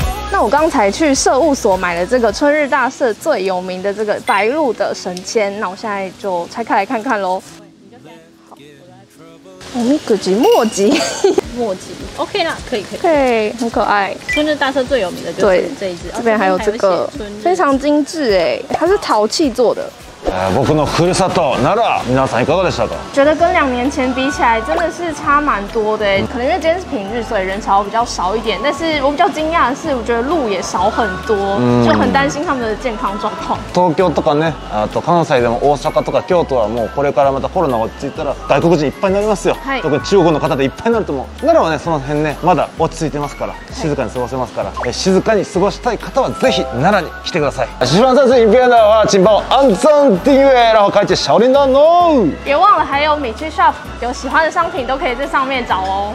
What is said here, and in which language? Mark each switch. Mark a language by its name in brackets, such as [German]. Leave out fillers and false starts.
[Chinese] 那我刚才去社务所买了这个春日大社最有名的这个白鹿的神签，那我现在就拆开来看看喽。好，米格吉墨吉，墨吉 OK 啦，可以可以，很可爱。春日大社最有名的就是这一只，这边还有这个，非常精致哎，它是陶器做的。 [Japanese] 僕のふるさと奈良、皆さんいかがでしたか？ [Chinese] 觉得跟两年前比起来真的是差蛮多的，可能因为今天是平日，所以人潮比较少一点，但是我比较惊讶的是我觉得鹿也少很多，就很担心他们的健康状况。 [Japanese] 東京とかね、あと関西でも大阪とか京都はもうこれからまたコロナ落ち着いたら外国人いっぱいになりますよ、はい、特に中国の方でいっぱいになると思う。奈良はね、その辺ね、まだ落ち着いてますから静かに過ごせますから、はい、静かに過ごしたい方はぜひ奈良に来てください。 [Chinese] 希望再次影片的话请帮我按赞订阅，然后开启小铃铛哦！别忘了，还有米趣 shop， 有喜欢的商品都可以在上面找哦。